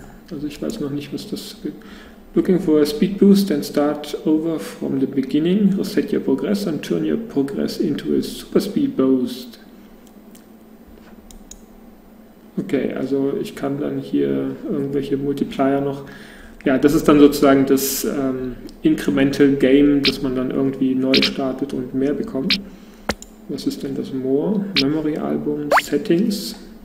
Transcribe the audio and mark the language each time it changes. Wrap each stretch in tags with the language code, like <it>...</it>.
<de>Also ich weiß noch nicht, was das gibt.</de> <en>Looking for a speed boost and start over from the beginning, reset your progress and turn your progress into a super speed boost.</en> <de>Okay, also ich kann dann hier irgendwelche Multiplier noch... Ja, das ist dann sozusagen das Incremental Game, dass man dann irgendwie neu startet und mehr bekommt. Was ist denn das More? Memory Album, Settings.</de>